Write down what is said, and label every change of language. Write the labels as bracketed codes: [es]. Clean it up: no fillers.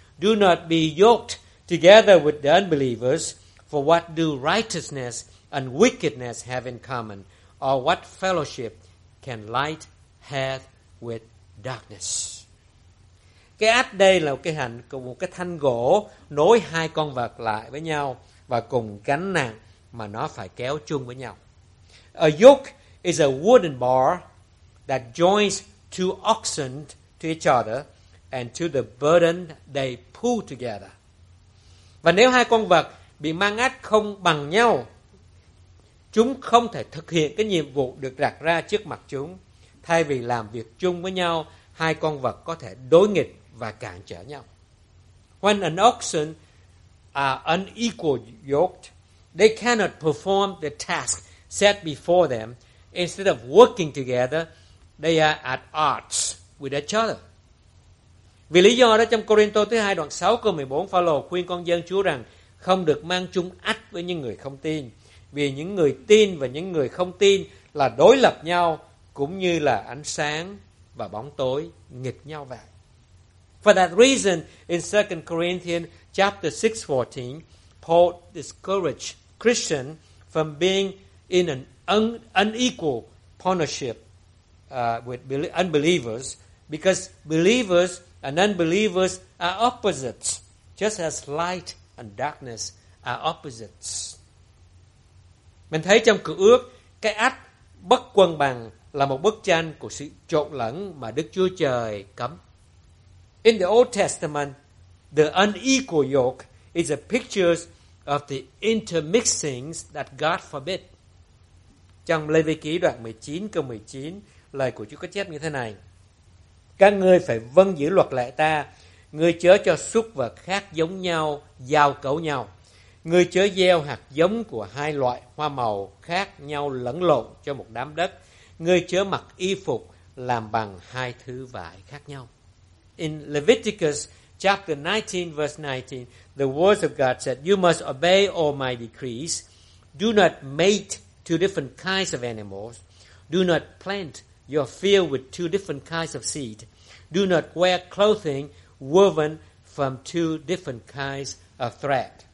[en] "Do not be yoked together with the unbelievers, for what do righteousness and wickedness have in common? Or what fellowship can light have with darkness?" [vi] Cái ách đây là một cái hành cùng một cái thanh gỗ nối hai con vật lại với nhau và cùng gánh nặng mà nó phải kéo chung với nhau. [en] A yoke is a wooden bar that joins two oxen to each other and to the burden they pull together. [vi] Và nếu hai con vật bị mang ách không bằng nhau, chúng không thể thực hiện cái nhiệm vụ được đặt ra trước mặt chúng. Thay vì làm việc chung với nhau, hai con vật có thể đối nghịch và cản trở nhau. [en] When an oxen are unequally yoked, they cannot perform the task set before them. Instead of working together, they are at odds with each other. [vi] Vì lý do đó trong Cô-rinh-tô thứ 2 đoạn 6 câu 14, Phao-lô khuyên con dân Chúa rằng không được mang chung ách với những người không tin, vì những người tin và những người không tin là đối lập nhau, cũng như là ánh sáng và bóng tối nghịch nhau vậy. [en] For that reason, in 2 Corinthians chapter 6:14, Paul discouraged Christians from being in an unequal partnership with unbelievers, because believers and unbelievers are opposites, just as light and darkness are opposites. [vi] Mình thấy trong Cựu Ước, cái ách bất quân bằng là một bức tranh của sự trộn lẫn mà Đức Chúa Trời cấm. [en] In the Old Testament, the unequal yoke is a picture of the intermixings that God forbid. [vi] Trong Lê Vê Ký đoạn 19 câu 19, lời của Chúa có chép như thế này: các ngươi phải vâng giữ luật lệ ta, ngươi chớ cho súc vật khác giống nhau giao cấu nhau, ngươi chớ gieo hạt giống của hai loại hoa màu khác nhau lẫn lộn cho một đám đất, ngươi chớ mặc y phục làm bằng hai thứ vải khác nhau. [en] In Leviticus chapter 19 verse 19, the words of God said, you must obey all my decrees, do not mate two different kinds of animals, do not plant your field with two different kinds of seed, do not wear clothing woven from two different kinds of thread.